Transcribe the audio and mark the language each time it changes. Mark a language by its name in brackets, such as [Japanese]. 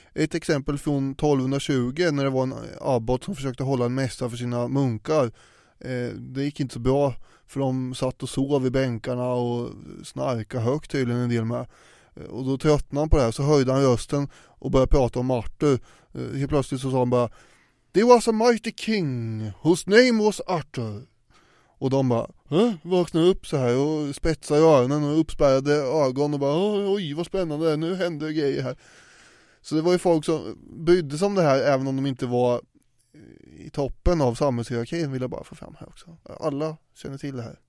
[Swedish] Ett exempel från 1220, när det var en abbot som försökte hålla en mässa för sina munkar. Det gick inte så bra, för de satt och sov i bänkarna och snarkade högt tydligen en del med. Och då tröttnade han på det här, så höjde han rösten och började prata om Arthur. Helt plötsligt så sa han bara, [English] "There was a mighty king whose name was Arthur." [Swedish] Och de bara, vaknade upp så här och spetsade öronen och uppspärrade ögon och bara, oj vad spännande, nu händer grejer här. Så det var ju folk som brydde sig om det här, även om de inte var i toppen av samhällshierarkin, vill jag bara få fram här också. Alla känner till det här.